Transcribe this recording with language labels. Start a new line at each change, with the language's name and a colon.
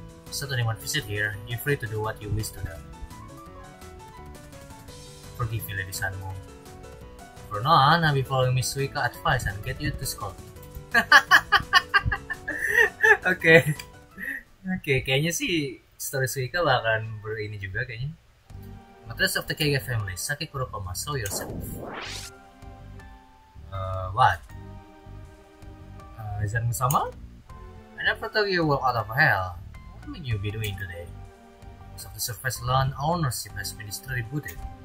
English: Set anyone visit here, you're free to do what you wish to them. Forgive me, Lady Sanmu. For now, I'll be following Miss Suika advice and get you to school. Oke.
Indonesian: Oke, kayaknya sih story Suika bakalan berini juga kayaknya.
English: Matters of the Kage family, Saki Kurokoma, show yourself. What? Zanmu sama? I never thought you were out of hell. What will you be doing today? Most of the surface land ownership has been distributed.